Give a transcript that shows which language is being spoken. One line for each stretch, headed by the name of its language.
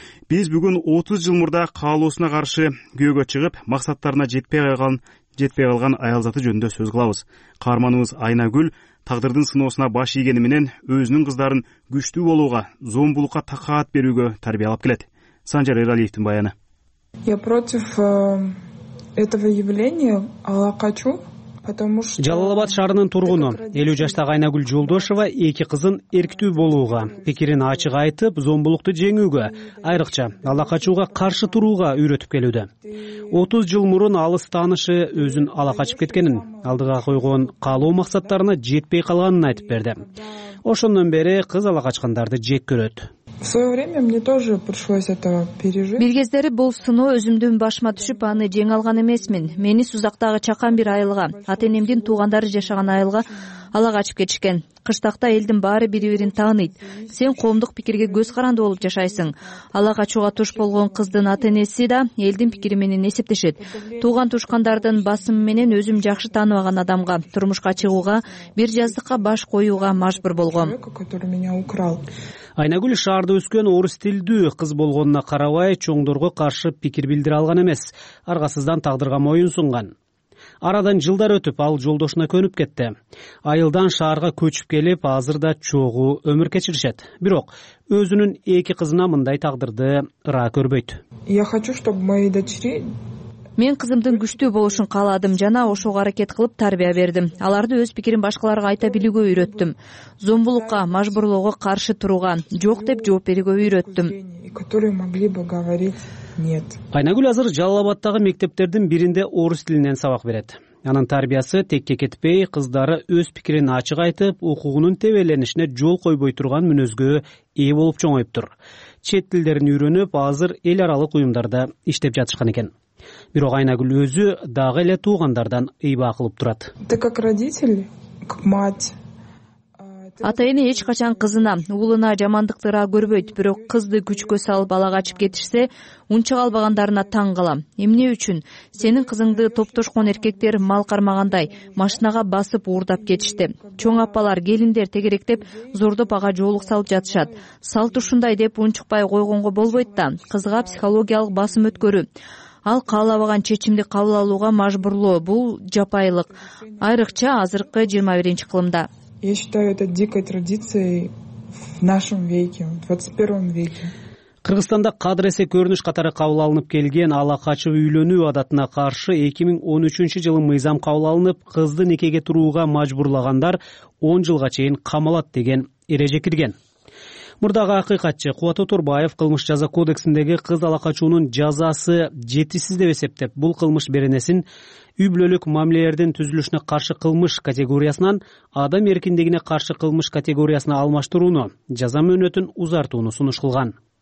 Kyrgyz: Биз бүгүн 30 жыл мурда каалоосуна каршы күйөөгө чыгып, максаттарына жетпей калган аялзаты жөнүндө сөз кылабыз. Каарманыбыз Айнагүл тагдырдын сыноосуна баш ийгени менен өзүнүн кыздарын күчтүү болууга, зомбулукка такаат берүүгө тарбиялап келет. Санжар Эралиевдин баяны.
Russian: Я против этого явления, а хочу, потому что
Kyrgyz: Жалал-Абад шаарынын тургуну 50 жаштагы Айнагүл Жолдошова эки кызын эркитүү болууга, пикирин ачык айтып, зомбулукту жеңүүгө, айрыкча ала качууга каршы турууга үйрөтүп келүүдө. 30 жыл мурун алыс таанышы өзүн ала качып кеткенин, алдыга койгон каалоо максаттарына жетпей калганын айтып берди. Ошондон бери кыз ала качкандарды жек көрөт.
Russian: В свое время мне тоже пришлось этого пережить.
Kyrgyz: Бир кездери бул сыноо өзүмдүн башыма түшүп, аны жеңе алган эмесмин. Мени Сузактагы чакан бир айылга, ата энемдин туугандары жашаган айылга ала качып кетишкен. Кыштакта элдин баары бири бирин тааныйт. Сен коомдук пикирге көз каранды болуп жашайсың. Ала качууга туш болгон кыздын ата энеси да элдин пикири менен эсептешет. Тууган туушкандардын басымы менен өзүм жакшы тааныбаган адамга турмушка чыгууга, бир жаздыкка баш коюуга мажбур болгом. Айнагүл шаарда өскөн орус тилдүү кыз болгонуна карабай, чоңдорго каршы пикир билдире алган эмес, аргасыздан тагдырга моюн сунган. Арадан жылдар өтүп, ал жолдошуна көнүп кетти. Айылдан шаарга көчүп келип, азыр да чогуу өмүр кечиришет. Бирок өзүнүн эки кызына мындай тагдырды ыраа көрбөйт.
Russian: Я хочу, чтобы мои дочери
Kyrgyz: Мен кызымдын күчтүү болушун кааладым жана ошого аракет кылып тарбия бердим. Аларды өз пикирин башкаларга айта билүүгө үйрөттүм. Зомбулукка, мажбурлоого каршы турууга, жок деп жооп берүүгө үйрөттүм.
Russian: которые могли бы говорить нет.
Kyrgyz: Айнагүл азыр Жалал-Абадтагы мектептердин биринде орус тилинен сабак берет. Анын тарбиясы текке кетпей, кыздары өз пикирин ачык айтып, укугунун тебеленишине жол койбой турган мүнөзгө ээ болуп чоңойуптур. Чет тилдерин үйрөнүп, азыр эл аралык уюмдарда иштеп жатышкан экен. Бирок Айнагүл өзү дагы эле туугандардан ыйба кылып турат.
Russian: Ты как родитель, как мать.
Kyrgyz: Атайыны эч качан кызына, уулуна жамандыктыра көрбөйт, бирок кызды күчкө салып балага ачып кетишсе, унчук албагандарына таң калам. Эмне үчүн сенин кызыңды топтошкон эркектер мал кармагандай машинага басып уурдап кетишти? Чоң апалар, келиндер тегеректеп зордоп ага жоолук салып жатышат. Салт ушундай деп унчукпай койгонго болбойт да, кызга психологиялык басым өткөрүү. Ал каалабаган чечимди кабыл алууга мажбурлоо, бул жапайылык. Айрыкча азыркы 21-чи кылымда.
Russian: Я считаю это дикой традицией в нашем веке, в 21 веке.
Kyrgyz: Кыргызстанда кадыресе көрүнүш катары кабыл алынып келген ала качып үйлөнүү адатына каршы 2013 жылы мыйзам кабыл алынып, кызды никеге турууга мажбурлагандар 10 жылга чейин камалат деген эреже кирген. Мурдагы акыйкатчы Кубат Оторбаев кылмыш жаза кодексиндеги кыз ала качуунун жазасы жетишсиз деп эсептеп, бул кылмыш беренесин үй-бүлөлүк мамилелердин түзүлүшүнө каршы кылмыш категориясынан адам эркиндигине каршы кылмыш категориясына алмаштырууну, жаза мөөнөтүн узартууну сунуш кылган.